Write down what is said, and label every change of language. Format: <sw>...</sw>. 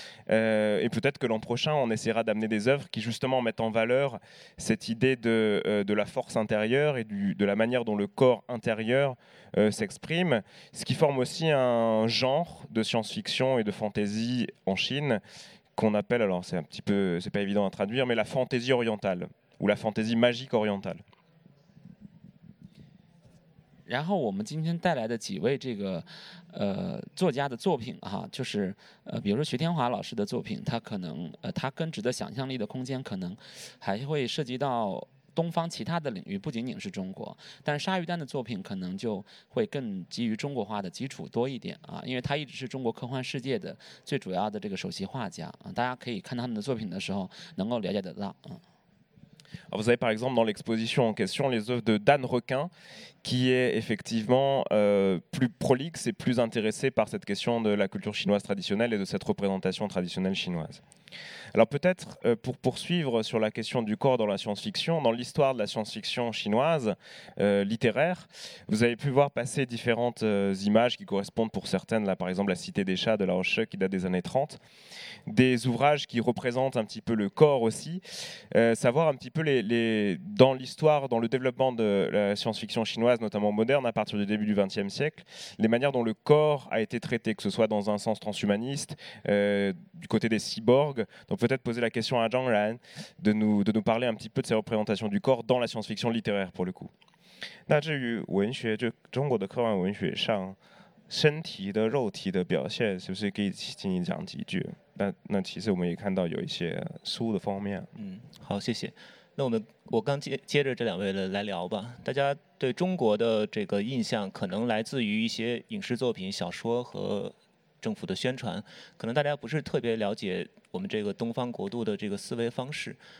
<fr>Et peut-être que l'an prochain, on essaiera d'amener des œuvres qui justement mettent en valeur cette idée de la force intérieure et de la manière dont le corps intérieur s'exprime, ce qui forme aussi un genre de science-fiction et de fantasy en Chine qu'on appelle, alors c'est un petit peu, c'est pas évident à traduire, mais la fantasy orientale ou la fantasy magique orientale.</fr> <zh>然后我们今天带来的几位这个作家的作品哈，就是比如说徐天华老师的作品，他可能他根植的想象力的空间可能还会涉及到东方其他的领域，不仅仅是中国。但是鲨鱼丹的作品可能就会更基于中国化的基础多一点啊，因为他一直是中国科幻世界的最主要的这个首席画家啊，大家可以看他们的作品的时候能够了解得到。</zh> <fr>Vous avez par exemple dans l'exposition en question les œuvres de Dan Requin, qui est effectivement plus prolixe et plus intéressé par cette question de la culture chinoise traditionnelle et de cette représentation traditionnelle chinoise. Alors peut-être pour poursuivre sur la question du corps dans la science-fiction, dans l'histoire de la science-fiction chinoise littéraire, vous avez pu voir passer différentes images qui correspondent pour certaines, là, par exemple la Cité des chats de Lao She qui date des années 30, des ouvrages qui représentent un petit peu le corps aussi, savoir un petit peu dans l'histoire, dans le développement de la science-fiction chinoise, notamment moderne, à partir du début du XXe siècle, les manières dont le corps a été traité, que ce soit dans un sens transhumaniste, du côté des cyborgs. Donc peut-être poser la question à Zhang Ran de nous parler un petit peu de ces représentations du corps dans la science-fiction littéraire, pour le coup.</fr> <zh>那至于文学，就中国的科幻文学上身体的肉体的表现，是不是可以请你讲几句？那其实我们也看到有一些书的方面。好，谢谢。那我刚接着这两位的来聊吧。大家对中国的这个印象可能来自于一些影视作品、小说和政府的宣传，可能大家不是特别了解我们这个东方国度的这个思维方式。</zh>